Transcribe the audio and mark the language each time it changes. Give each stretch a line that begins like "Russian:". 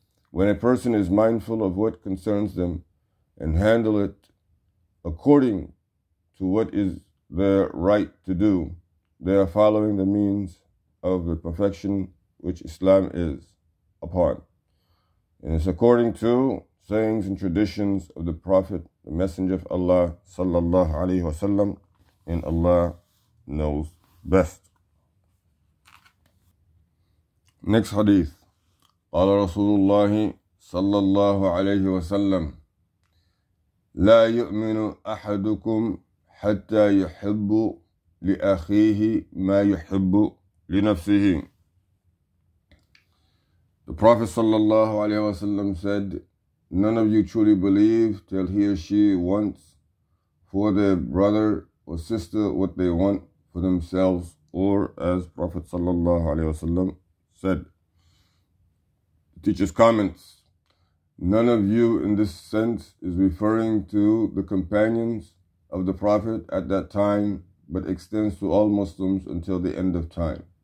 English: When a person is mindful of what concerns them and handle it according to what is their right to do, they are following the means of the perfection which Islam is upon. And it's according to sayings and traditions of the Prophet, the Messenger of Allah sallallahu alaihi wasallam, and Allah knows best. Next hadith.
Arabic: قال رسول الله صلى الله عليه وسلم لا يؤمن أحدكم حتى يحب لأخيه ما يحب لنفسه.
English: The Prophet
Arabic: صلى الله عليه وسلم
English: said, none of you truly believe till he or she wants for their brother or sister what they want for themselves. Or as Prophet
Arabic: صلى الله عليه وسلم
English: said, teacher's comments, none of you in this sense is referring to the companions of the Prophet at that time, but extends to all Muslims until the end of time.